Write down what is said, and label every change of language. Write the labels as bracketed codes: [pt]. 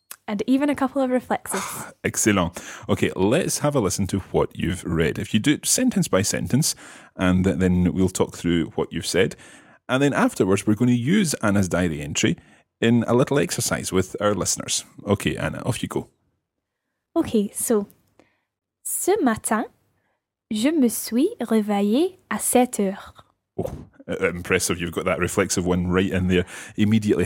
[en] And even a couple of reflexives. Excellent. Okay, let's have a listen to what you've read. If you do it sentence by sentence, and then we'll talk through what you've said. And then afterwards, we're going to use Anna's diary entry in a little exercise with our listeners. Okay, Anna, off you go. Okay, so, [fr] ce matin, je me suis réveillée à 7 heures. [en] Oh, impressive. You've got that reflexive one right in there immediately.